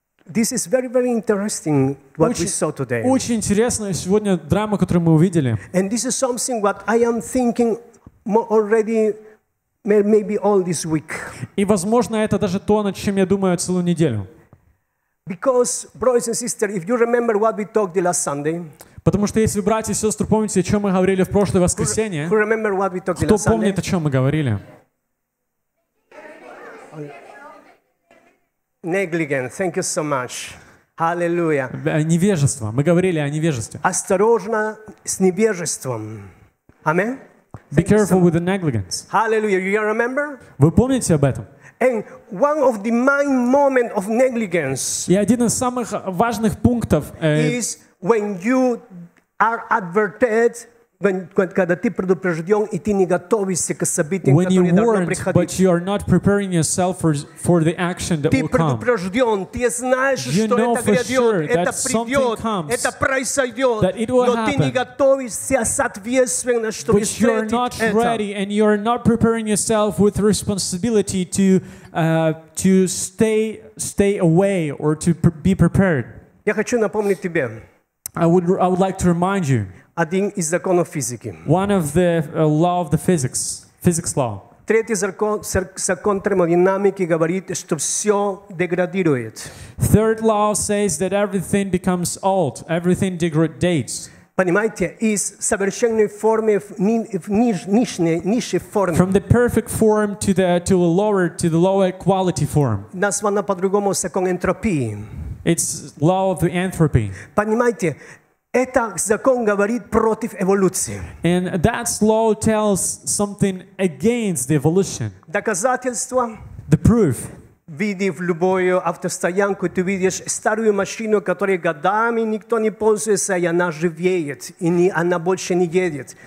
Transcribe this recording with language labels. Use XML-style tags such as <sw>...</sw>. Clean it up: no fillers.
<en>This is very, very interesting what we saw today.</en> <ru>Очень интересная сегодня драма, которую мы увидели.</ru> <en>And this is something what I am thinking already maybe all this week.</en> <ru>И возможно, это даже то, над чем я думаю целую неделю.</ru> <en>Because brothers and sisters, if you remember what we talked the last Sunday.</en> <ru>Потому что если братья и сестры помните, о чем мы говорили в прошлое воскресенье.</ru> <en>Who remember what we talked last Sunday?</en> <ru>Кто помнит, о чем мы говорили?</ru> <en>Negligence. Thank you so much. Hallelujah.</en> <ru>Невежество. Мы говорили о невежестве. Осторожно с невежеством.</ru> <en>Amen. Be careful with the negligence. Hallelujah. You remember?</en> <ru>Вы помните об этом?</ru> <en>And one of the main moments of negligence.</en> <ru>И один из самых важных пунктов.</ru> <en>Is when you are adverted.</en> <ru>Когда ты предупрежден и ты не готовишься к событиям, которые должны приходить.</ru> <en>But you are not preparing yourself for the action that will come.</en> <ru>Ты предупрежден, ты знаешь,</ru> <en>you</en> <ru>что это грядет,</ru> <en>sure</en> <ru>это придет,</ru> <en>comes,</en> <ru>это произойдет, но</ru> <en>happen.</en> <ru>Ты не готовишься соответственно, чтобы встретить это.</ru> <en>But you are not ready and you are not preparing yourself with responsibility to stay away or to be prepared.</en> <ru>Я хочу напомнить тебе.</ru> <en>I would like to remind you.</en> <ru>Один из законов физики.</ru> <en>One of the law of the physics. Physics law.</en> <ru>Третий закон термодинамики говорит, что все деградирует.</ru> <en>Third law says that everything becomes old. Everything degrades.</en> <ru>Понимаете, из совершенной формы в нижней форме.</ru> <en>From the perfect form to the lower quality form.</en> <ru>Названо по-другому закон энтропии.</ru> <en>It's law of the entropy.</en> <ru>Понимаете, это закон говорит против эволюции.</ru> <en>And that law tells something against the evolution.</en> <ru>Доказательство.</ru> <en>The proof.</en> <ru>Видев любую автостоянку, ты видишь старую машину, которая годами никто не пользуется, и она живеет, и она больше не едет.</ru>